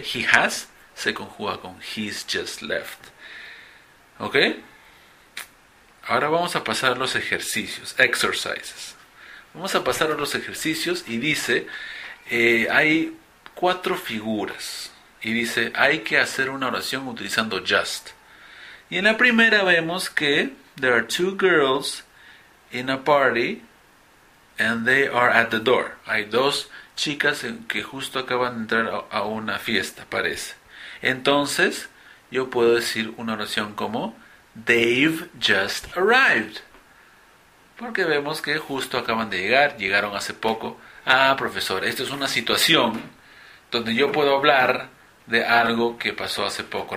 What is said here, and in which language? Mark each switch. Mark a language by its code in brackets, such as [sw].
[en] He has [es] se conjuga con [en] he's just left. Okay. [es] Ahora vamos a pasar a los ejercicios. Exercises. Vamos a pasar a los ejercicios y dice, hay cuatro figuras. Y dice, hay que hacer una oración utilizando just. Y en la primera vemos que [en] there are two girls in a party and they are at the door. [es] Hay dos chicas que justo acaban de entrar a una fiesta, parece. Entonces, yo puedo decir una oración como, [en] They've just arrived. [es] Porque vemos que justo acaban de llegar, llegaron hace poco. Ah, profesor, esta es una situación donde yo puedo hablar de algo que pasó hace poco.